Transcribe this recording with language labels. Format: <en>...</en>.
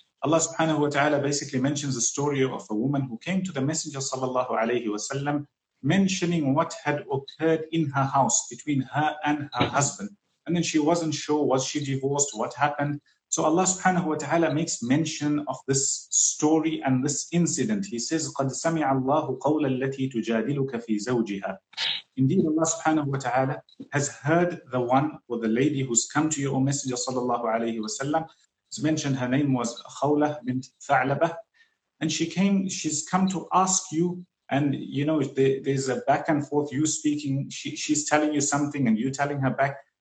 <en>Allah subhanahu wa ta'ala basically mentions the story of a woman who came to the Messenger sallallahu alayhi wa sallam, mentioning what had occurred in her house between her and her husband. And then she wasn't sure, was she divorced, what happened? So Allah subhanahu wa ta'ala makes mention of this story and this incident.</en> <ar>He says, قَدْ سَمِعَ اللَّهُ قَوْلَ الَّتِي تُجَادِلُكَ فِي زَوْجِهَا.</ar> <en>Indeed, Allah subhanahu wa ta'ala has heard the one or the lady who's come to you, O Messenger sallallahu alayhi wa sallam. It's mentioned her name was Khawlah bint Tha'labah. And she's come to ask you, and you know, there's a back and forth, you speaking, she's telling you something and you telling her back.</en>